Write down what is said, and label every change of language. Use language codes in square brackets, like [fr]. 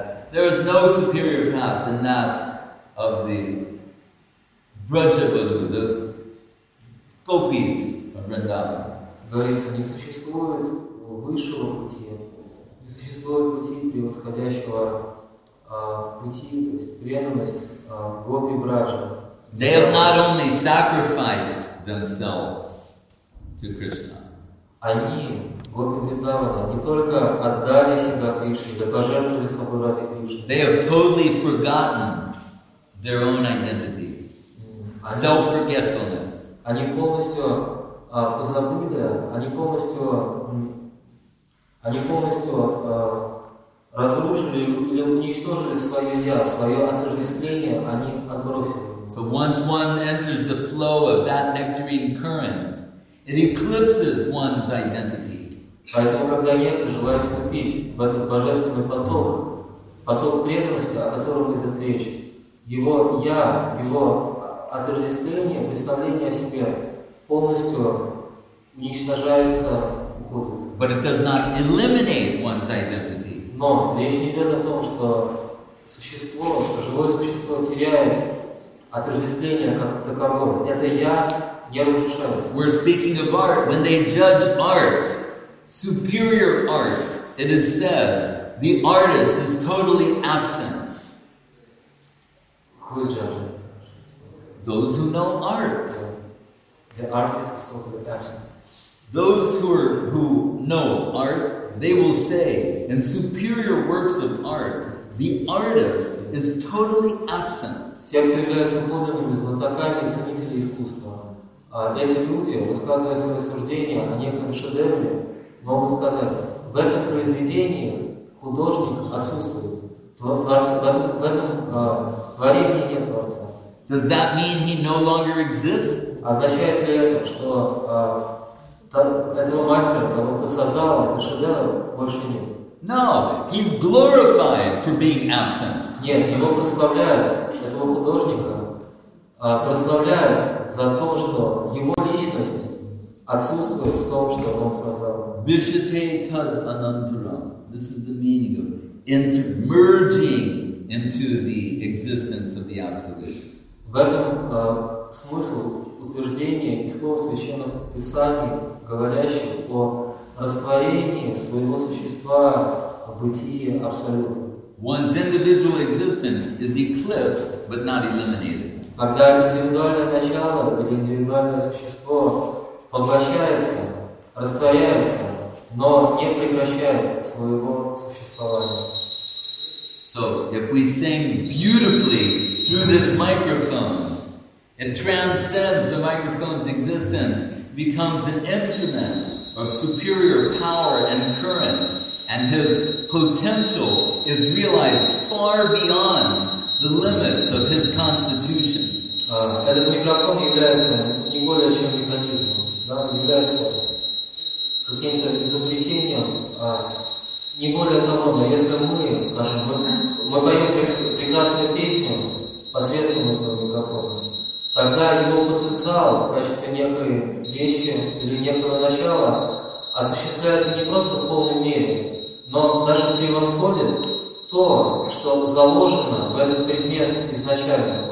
[en] There is no superior path than that of the Brajavadu, the gopis of Vrindavan. [ru] Говорится, не существует высшего пути, не существует пути превосходящего пути, то есть преданность гопи Бража. [en] They have not only sacrificed themselves to Krishna. [ru] Они в Вриндавана не только отдали себя Кришне, да пожертвовали собой ради Кришны. [en] They have totally forgotten their own identity. Self-forgetfulness. [ru] Они полностью позабыли, они полностью разрушили или уничтожили свое я, свое отождествление, они отбросили. [en] So once one enters the flow of that nectarine current, it eclipses one's identity. [ru] Поэтому, когда некто желает вступить в этот божественный поток, поток преданности, о котором идет речь, его я, его отождествление, представление о себе полностью уничтожается, уходит. [en] But it does not eliminate one's identity. [ru] Но речь не идет о том, что существо, что живое существо теряет отождествление как таковое. Это я не разрушается. [en] We're speaking of art. When they judge art, superior art, it is said, the artist is totally absent. Who is judging? Those who know art. The artist is totally absent. Those who know art, they will say, in superior works of art, the artist is totally absent. [ru] Те, кто являются подлинными знатоками и ценителями искусства, эти люди, высказывая свои суждения о неком шедевре, могут сказать, в этом произведении художник отсутствует, творении нет творца. [en] Does that mean he no longer exists? [ru] Означает ли это, что этого мастера, того, кто создал этот шедевр, больше нет? [en] No, he's glorified for being absent. [ru] Нет, его прославляют, этого художника, прославляют за то, что его личность отсутствует в том, что он создал. [sa] Vishate tad anantaram. [en] This is the meaning of merging into the existence of the absolute. [ru] В этом смысл утверждения из слова Священного Писания, говорящего о растворении своего существа в бытии абсолютно. [en] One's individual existence is eclipsed, but not eliminated. [ru] Когда индивидуальное начало или индивидуальное существо поглощается, растворяется, но не прекращает своего существования. [en] So, if we sing beautifully through this microphone, it transcends the microphone's existence, becomes an instrument of superior power and current, and his potential is realized far beyond the limits of his constitution. [ru] Этот микрофон является не более чем механизмом, да, является каким-то изобретением, не более того, но если мы, скажем, мы поем прекрасную песню посредством этого микрофона, тогда его потенциал в качестве некой вещи или некого начала осуществляется не просто в полной мере, но даже превосходит то, что заложено в этот предмет изначально.